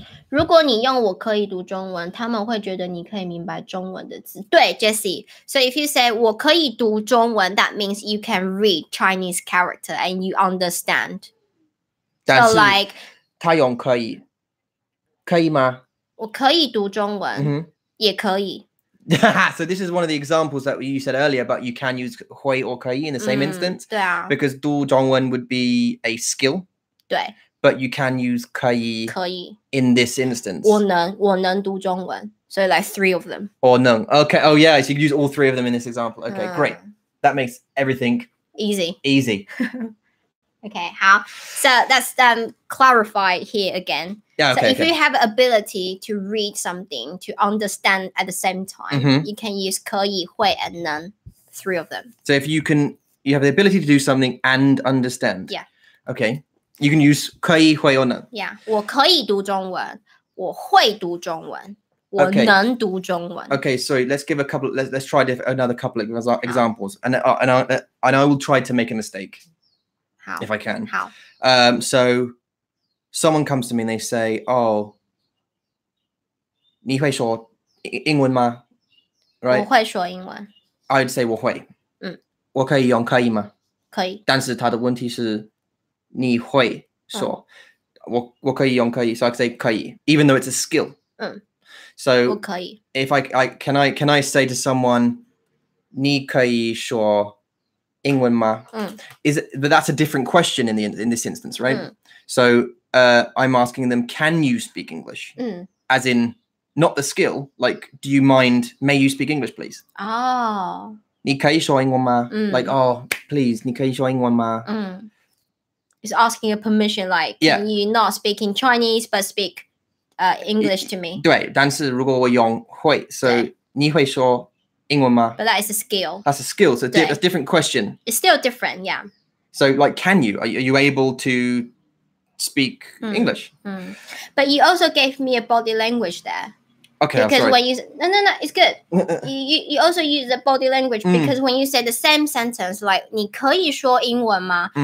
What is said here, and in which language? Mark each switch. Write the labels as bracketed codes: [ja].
[zh] 如果你用我可以读中文, 他们会觉得你可以明白中文的字. 对, Jessie. [en] So if you say [zh] 我可以读中文, [en] that means you can read Chinese character and you understand. [zh] 但是, [en] so like, [zh] 他用可以.可以吗? 我可以读中文, mm-hmm. 也可以. [en] So this is one of the examples that you said earlier, but you can use 会 or 可以 in the same instance. [zh] 对啊. [en] Because [zh] 读中文 [en] would be a skill. [zh] 对. [en] But you can use 可以, [zh] 可以. [en] In this instance. [zh] 我能读中文. [en] So like three of them. [zh] 我能. [en] Okay. Oh yeah, so you can use all three of them in this example. Okay, great. That makes everything easy. Easy. Okay, [zh] 好. [en] So that's clarify here again. Yeah, okay, so if okay. you have ability to read something, to understand at the same time, mm-hmm. you can use 可以, 会, and 能, three of them. So if you have the ability to do something and understand. Yeah. Okay. You can use 可以, 会, or 能. Yeah. [zh] 我可以读中文, 我会读中文, 我能读中文. [en] Okay, so let's give a couple, let's try another couple of examples. Ah. And I will try to make a mistake. How? If I can. How? So someone comes to me and they say, oh, [zh] 你会说英文吗? [en] Right? [zh] 我会说英文。 [en] I'd say [zh] 我会。我可以用可以吗? 可以。但是他的问题是你会说。我可以用可以。 [en] So I'd say 可以。Even though it's a skill. So, [zh] 我可以。 [en] If can I say to someone, 你可以说英文吗? Is it, but that's a different question in this instance, right? So I'm asking them, can you speak English? As in, not the skill, like, do you mind, may you speak English, please? Oh. [zh] 你可以说英文吗? [en] Like, oh, please, [zh] 你可以说英文吗? [en] It's asking a permission, like, yeah. Can you not speak in Chinese, but speak English to me? [zh] 对,但是如果我用会, [en] so [zh] 你会说英文吗? [en] But that is a skill. That's a skill, so that's a different question. It's still different, yeah. So, like, can you? Are you able to speak English? But you also gave me a body language there. Okay, because when you no, it's good. you also use the body language because when you say the same sentence like [zh] 你可以说英文吗?